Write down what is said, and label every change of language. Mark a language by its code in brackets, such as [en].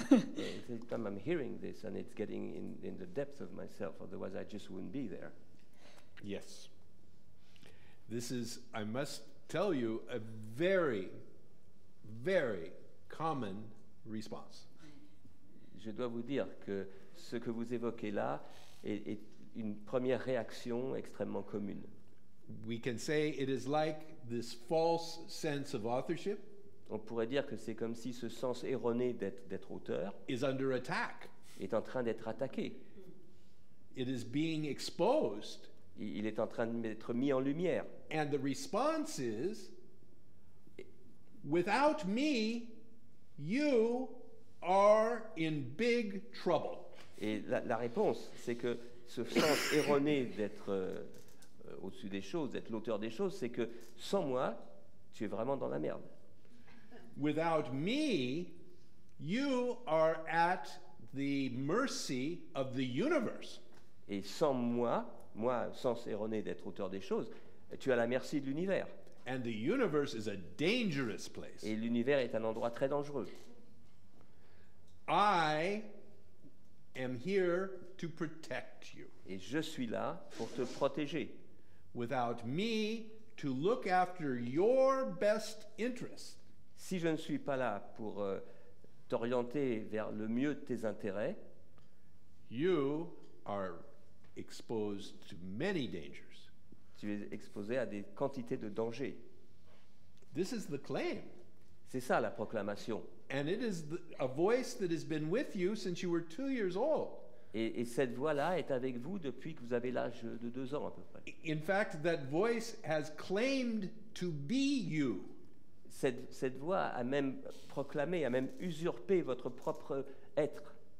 [en] I'm hearing this and it's getting in the depth of myself. Otherwise, I just wouldn't be there. Yes. This is, I must tell you, a very, very common response. [fr] Je dois vous dire que ce que vous évoquez là est une première réaction extrêmement commune. [en] We can say it is like this false sense of authorship. [fr] On pourrait dire que c'est comme si ce sens erroné d'être auteur [en] is under attack. [fr] Est en train d'être attaqué. [en] It is being exposed. [fr] Il est en train d'être mis en lumière. [en] And the response is, without me, you are in big trouble. [fr] Et la réponse, c'est que ce sens erroné d'être au-dessus des choses, d'être l'auteur des choses, c'est que sans moi, tu es vraiment dans la merde. [en] Without me, you are at the mercy of the universe. [fr] Et sans moi, moi, sens erroné d'être auteur des choses, tu es à la merci de l'univers. [en] And the universe is a dangerous place. [fr] Et l'univers est un endroit très dangereux. [en] I am here to protect you. [fr] Et je suis là pour te protéger. [en] Without me to look after your best interest. [fr] Si je ne suis pas là pour t'orienter vers le mieux de tes intérêts, [en] you are exposed to many dangers. [fr] Tu es exposé à des quantités de dangers. [en] This is the claim. [fr] C'est ça la proclamation. [en] And it is a voice that has been with you since you were 2 years old. [fr] Et cette voix-là est avec vous depuis que vous avez l'âge de 2 ans à peu près. [en] In fact, that voice has claimed to be you. [fr] Cette voix a même proclamé, a même usurpé votre propre être.